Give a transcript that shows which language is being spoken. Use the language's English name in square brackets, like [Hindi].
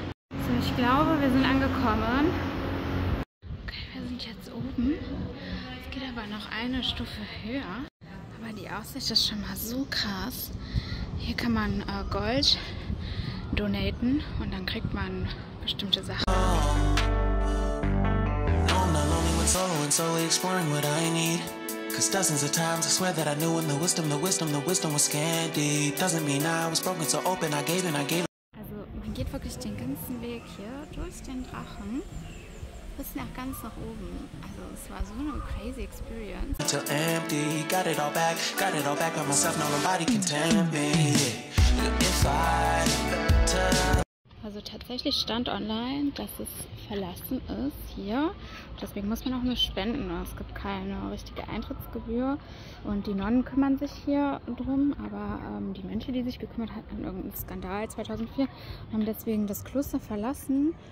[German] Also ich glaube, wir sind angekommen. Okay, wir sind jetzt oben. Es geht aber noch eine Stufe höher. Aber die Aussicht ist schon mal so krass. Hier kann man Gold donaten und dann kriegt man bestimmte Sachen. [English] No, I'm not lonely when solo and solely exploring what I need. Cause dozens of times I swear that I knew when the wisdom was scanty. Doesn't mean I was broken, so open, I gave. [German] Also man geht wirklich den ganzen Weg hier durch den Drachen bis nach ganz nach oben. Also es war so eine [English] crazy experience. Until empty, got it all back by myself, no nobody can tempt me. [German] If I also tatsächlich stand online, dass es verlassen ist hier. Deswegen muss man auch nur spenden. Es gibt keine richtige Eintrittsgebühr. Und die Nonnen kümmern sich hier drum. Aber die Mönche, die sich gekümmert hatten an irgendeinen Skandal 2004, haben deswegen das Kloster verlassen.